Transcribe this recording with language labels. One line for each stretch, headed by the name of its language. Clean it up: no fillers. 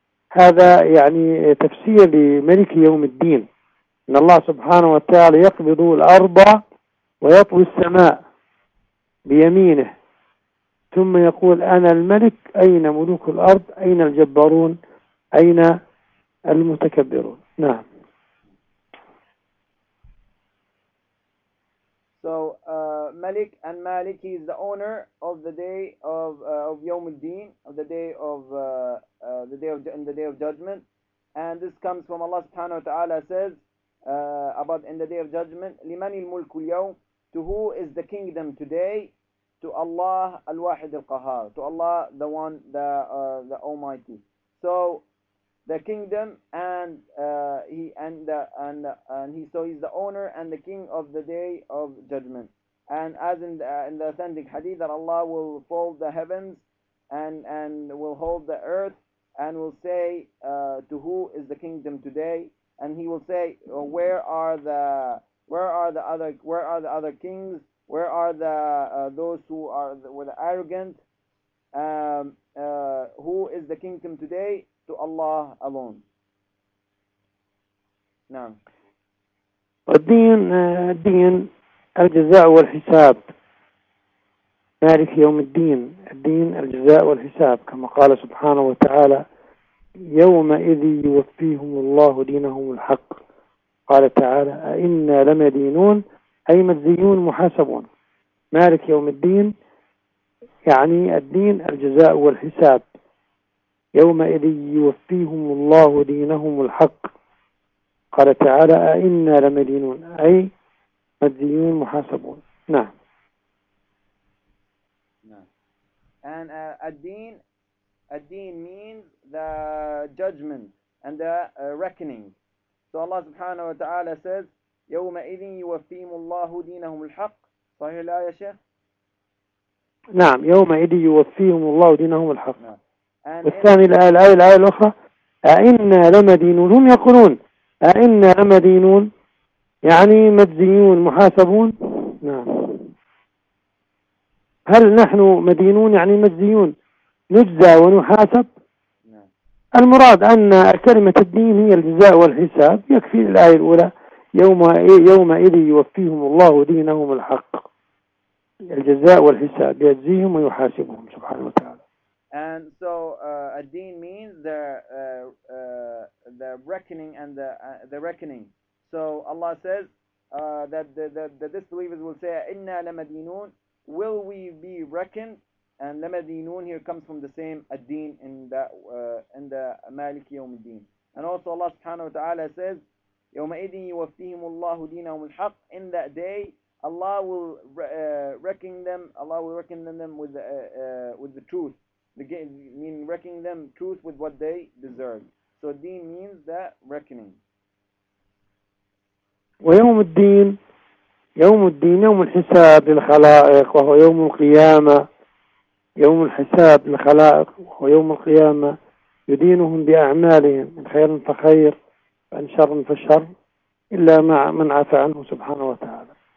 Arabic: هذا يعني تفسير لملك يوم الدين، أن الله سبحانه وتعالى يقبض الأرض ويطوي السماء بيمينه، ثم يقول أنا الملك، أين ملوك الأرض؟ أين الجبارون؟ أين المتكبرون؟ نعم.
English: So Malik and Malik, he is the owner of the day of Yawm al-Din, of the day of the day of in the day of judgment. And this comes from Allah Subhanahu wa Ta'ala says about in the day of judgment,
Arabic: لمن الملك اليوم؟
English: To who is the kingdom today? To Allah al-Wahid al-Qahar, to Allah the One, the Almighty. So the kingdom and he's the owner and the king of the day of judgment. And as in the authentic hadith that Allah will fold the heavens and will hold the earth and will say to who is the kingdom today? And he will say where are the other kings? Where are the those who are the arrogant? Who is the kingdom today? To Allah alone. Now.
Arabic: الدين الدين الجزاء والحساب. مالك يوم الدين. الدين الجزاء والحساب، كما قال سبحانه وتعالى يومئذ يوفيهم الله دينهم الحق. قال تعالى إنا لمدينون، أي مدينون محاسبون. مالك يوم الدين يعني الدين الجزاء والحساب. يومئذ يوفيهم الله دينهم الحق. قال تعالى أئنا لمدينون، أي مدينون محاسبون. نعم.
English: And الدين means the judgment and the reckoning. So Allah سبحانه وتعالى says
Arabic: يومئذ يوفيهم الله دينهم الحق. صحيح الآية يا شيخ؟ نعم، يومئذ يوفيهم الله دينهم الحق. نعم. والثاني الآية الأخرى أئنا لمدينون، هم يقولون أئنا لمدينون، يعني مدينون محاسبون؟ نعم. هل نحن مدينون يعني مدينون نجزى ونحاسب؟ نعم. المراد أن كلمة الدين هي الجزاء والحساب، يكفي الآية الأولى يومئذ يوفيهم الله دينهم الحق، الجزاء والحساب، يجزيهم ويحاسبهم سبحانه وتعالى.
English: And so a deen means the reckoning and the reckoning. So Allah says that the disbelievers will say
Arabic: inna lamadinun,
English: will we be reckoned? And lamadinun here comes from the same a deen in the
Arabic: Maliki yawm al-din.
English: And also Allah subhanahu wa ta'ala says
Arabic: yawma idin yuwaffihim Allahu deenahum al-haq,
English: in that day Allah will reckon them, Allah will reckon them with the truth. Mean reckoning them truth with what they deserve. So deen means that reckoning.
Arabic: ويوم الدين يوم الدين يوم الحساب للخلائق وهو يوم القيامة يوم الحساب للخلائق وهو يوم القيامة يدينهم بأعمالهم من خير فخير وإن شر فشر إلا مع من عفى عنه سبحانه وتعالى.